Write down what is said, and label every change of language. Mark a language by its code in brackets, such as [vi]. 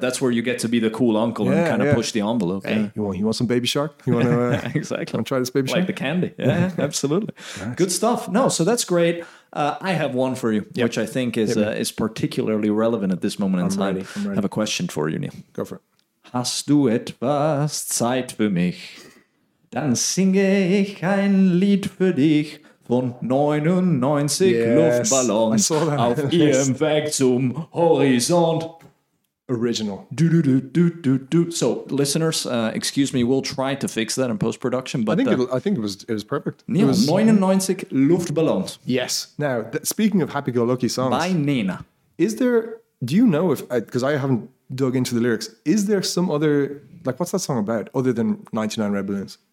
[en] That's where you get to be the cool uncle and kind of push the envelope. Hey, you want some Baby Shark? You want to try this Baby like Shark? Like the candy. Yeah, absolutely. Nice. Good stuff. No, so that's great. I have one for you, which I think is particularly relevant at this moment in time. I'm ready. I have a question for you, Neil. Go for it. [de] Hast du etwas Zeit für mich? Dann singe ich ein Lied für dich. Von 99 Luftballons auf ihrem Weg zum Horizont. [en] Original. Do, do, do, do, do, do. So, listeners, excuse me, we'll try to fix that in post-production. But I think it was perfect. Yeah, it was 99 Luftballons. Yes. Now, speaking of happy-go-lucky songs. By Nina. Because I haven't dug into the lyrics. Is there some other, like, what's that song about other than 99 Red Balloons?